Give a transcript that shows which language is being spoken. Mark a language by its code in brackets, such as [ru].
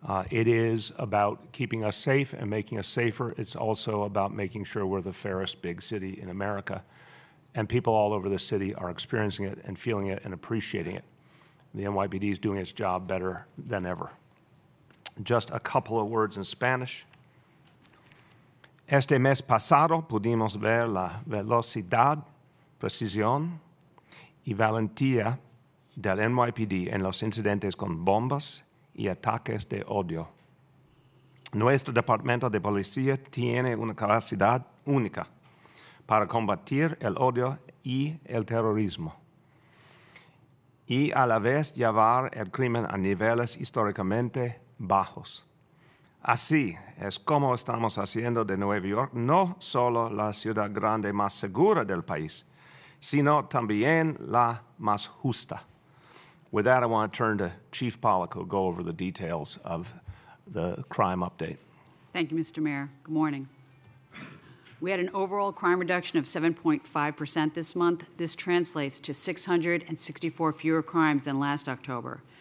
[en] It is about keeping us safe and making us safer. It's also about making sure we're the fairest big city in America. And people all over the city are experiencing it and feeling it and appreciating it. The NYPD is doing its job better than ever. Just a couple of words in Spanish. [es] Este mes pasado pudimos ver la velocidad, precisión y valentía del NYPD en los incidentes con bombas y ataques de odio. Nuestro departamento de policía tiene una capacidad única para combatir el odio y el terrorismo y a la vez llevar el crimen a niveles históricamente bajos. Así es como estamos haciendo de Nueva York no solo la ciudad grande más segura del país, sino también la más justa. [en] With that, I want to turn to Chief Pollock, who will go over the details of the crime update. Thank you, Mr. Mayor. Good morning. We had an overall crime reduction of 7.5% this month. This translates to 664 fewer crimes than last October.